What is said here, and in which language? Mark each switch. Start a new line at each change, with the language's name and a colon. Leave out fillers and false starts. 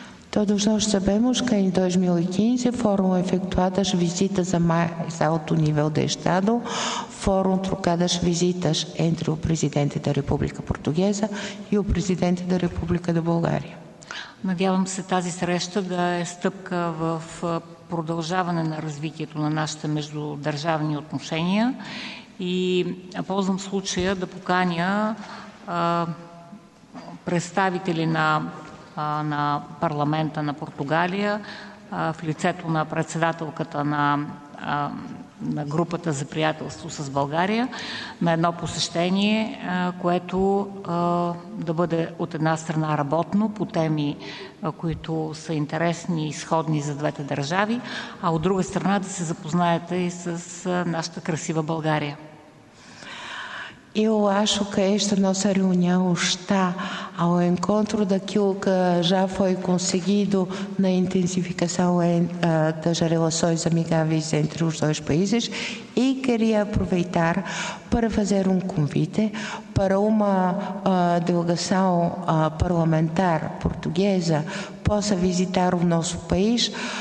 Portuguese: Todos nós sabemos que em 2015 foram efetuadas visitas a mais alto nível de Estado, foram trocadas visitas entre o presidente da República Portuguesa e o presidente da República da Bulgária.
Bulgarian: Надявам се тази среща да е стъпка в продължаване на развитието на нашите междудържавни отношения и ползвам случая да поканя представители на парламента на Португалия в лицето на председателката на групата за приятелство с България на едно посещение, което да бъде от една страна работно по теми, които са интересни и сходни за двете държави, а от друга страна да се запознаете и с нашата красива България.
Portuguese: Eu acho que esta nossa reunião está ao encontro daquilo que já foi conseguido na intensificação das relações amigáveis entre os dois países e queria aproveitar para fazer um convite para uma delegação parlamentar portuguesa possa visitar o nosso país,